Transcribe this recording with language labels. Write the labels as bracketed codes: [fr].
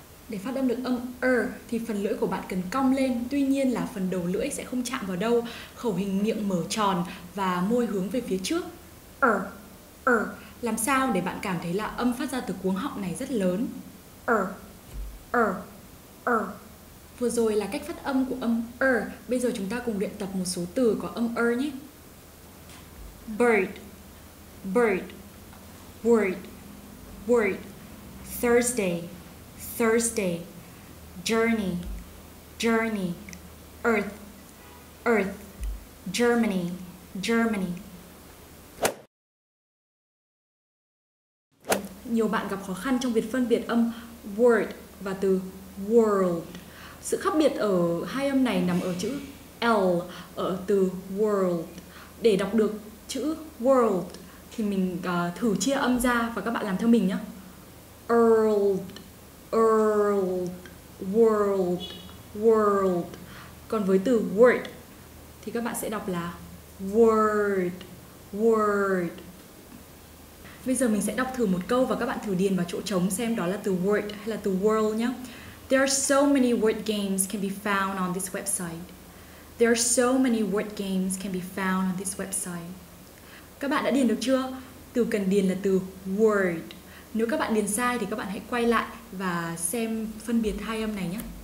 [vi] Để phát âm được âm R thì phần lưỡi của bạn cần cong lên, tuy nhiên là phần đầu lưỡi sẽ không chạm vào đâu, khẩu hình miệng mở tròn và môi hướng về phía trước. R, R, làm sao để bạn cảm thấy là âm phát ra từ cuống họng này rất lớn. R, R, R. Vừa rồi là cách phát âm của âm R, bây giờ chúng ta cùng luyện tập một số từ có âm R nhé. [en] Bird, bird, word, word, Thursday. Thursday, journey, journey, earth, earth, Germany, Germany. [vi] Nhiều bạn gặp khó khăn trong việc phân biệt âm word và từ world. Sự khác biệt ở hai âm này nằm ở chữ L ở từ world. Để đọc được chữ world thì mình thử chia âm ra và các bạn làm theo mình nhé. World. World, world, world. Còn với từ word thì các bạn sẽ đọc là word, word. Bây giờ mình sẽ đọc thử một câu và các bạn thử điền vào chỗ trống xem đó là từ word hay là từ world nhé. [en] There are so many word games can be found on this website. There are so many word games can be found on this website. [vi] Các bạn đã điền được chưa? Từ cần điền là từ word. Nếu các bạn điền sai thì các bạn hãy quay lại và xem phân biệt hai âm này nhé.